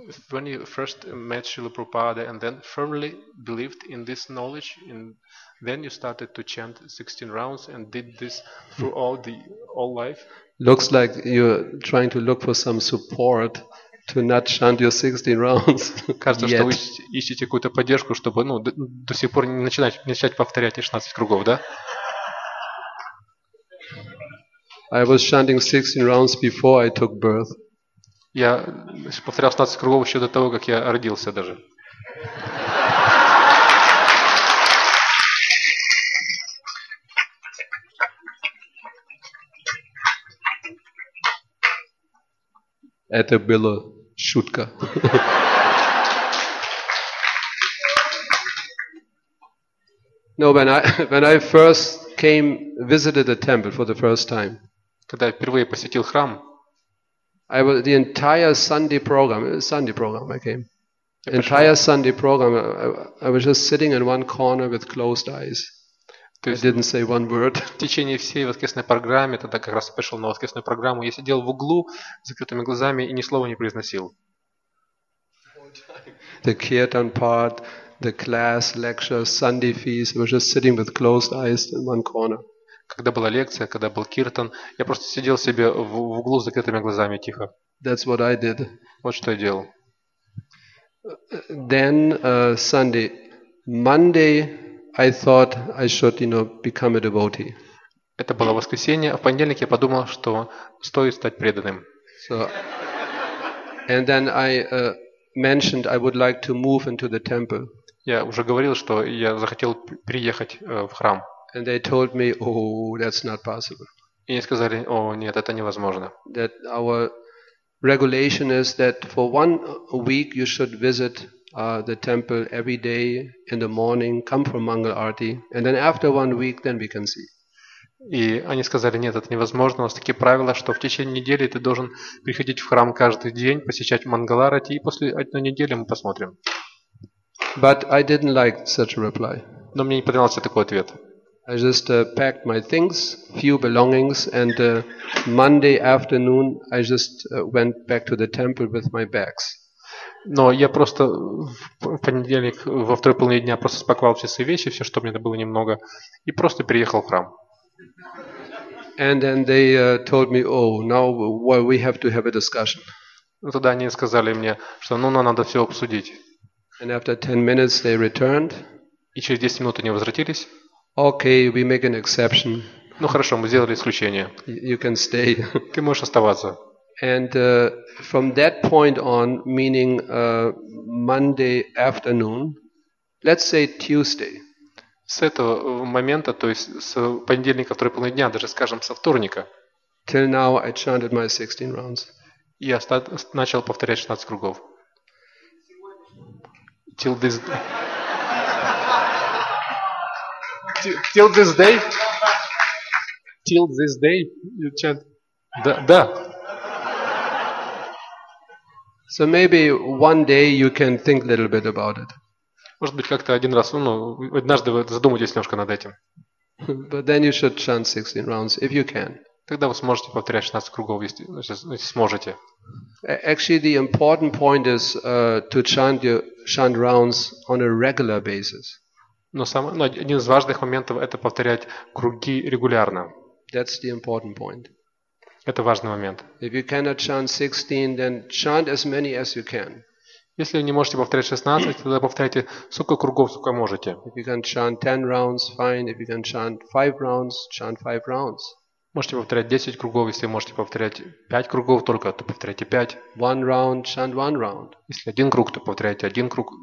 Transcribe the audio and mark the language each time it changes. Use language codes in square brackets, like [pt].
[en] When you first met Srila Prabhupada, and then firmly believed in this knowledge, and then you started to chant 16 rounds and did this through all life. Looks like you're trying to look for some support to not chant your 16 rounds. [ru] Кажется, что вы ищете какую-то поддержку, чтобы до сих пор не начать повторять 16 кругов, да? [en] I was chanting 16 rounds before I took birth. [ru] Я повторял 16 кругов еще до того, как я родился даже. Это было шутка. [en] No, when I first came visited the temple for the first time. [ru] Когда я впервые посетил храм. [en] I was the entire Sunday program I came. Entire Sunday program I was just sitting in one corner with closed eyes. [ru] То есть, [en] I didn't say one word. [ru] В течение всей воскресной программы, тогда как раз пришел на воскресную программу, я сидел в углу с закрытыми глазами и ни слова не произносил. [en] The kirtan part, the class, lecture, Sunday feast, I was just sitting with closed eyes in one corner. [ru] Когда была лекция, когда был киртан, я просто сидел себе в углу с закрытыми глазами тихо. [en] That's what I did. [ru] Вот что я делал. [en] Then Sunday, Monday. I thought I should, you know, become a devotee. [ru] Это было воскресенье, а в понедельник я подумал, что стоит стать преданным. [en] So, and then I mentioned I would like to move into the temple. [ru] Я уже говорил, что я захотел приехать в храм. [en] And they told me, oh, that's not possible. [ru] И мне сказали, о, нет, это невозможно. [en] That our regulation is that for 1 week you should visit the temple every day in the morning, come for Mangal Arati, and then after 1 week, then we can see. [ru] И они сказали, нет, это невозможно. У нас такие правила, что в течение недели ты должен приходить в храм каждый день, посещать Мангал Арати, и после одной недели мы посмотрим. [en] But I didn't like such a reply. [ru] Но мне не понравился такой ответ. [en] I just packed my things, few belongings, and Monday afternoon I just went back to the temple with my bags. [ru] Но я просто в понедельник, во второй половине дня просто спаковал все свои вещи, все, что мне было немного, и просто переехал в храм. [en] And then they told me, oh, now well, we have to have a discussion. [ru] Ну, тогда они сказали мне, что ну, нам надо все обсудить. [en] And after 10 minutes they returned. [ru] И через 10 минут они возвратились. [en] Okay, we make an exception. [ru] Ну хорошо, мы сделали исключение. [en] You can stay. [ru] Ты можешь оставаться. [en] And from that point on, meaning Monday afternoon, let's say Tuesday. [ru] С этого момента, то есть с понедельника второй половины дня, даже скажем со вторника. [en] Till now I chanted my 16 rounds. [ru] Я начал повторять 16 кругов. [en] Till this day. Till this day. Till this day you chant. Да. So maybe one day you can think a little bit about it. [ru] Может быть, как-то один раз, ну, однажды вы задумаетесь немножко над этим. [en] But then you should chant 16 rounds if you can. [ru] Тогда вы сможете повторять 16 кругов, если сможете. [en] Actually, the important point is to chant rounds on a regular basis. [ru] Но один из важных моментов это повторять круги регулярно. [en] That's the important point. [ru] Это важный момент. [en] If you cannot chant 16, then chant as many as you can. [ru] Если вы не можете повторять 16, тогда повторяйте сколько кругов, сколько можете. [en] If you can chant 10 rounds, fine. If you can chant 5 rounds, chant 5 rounds. [ru] Можете повторять 10 кругов, если можете повторять 5 кругов только, то повторяйте 5. [en] One round, chant one round. [ru] Если один круг, то повторяйте один круг.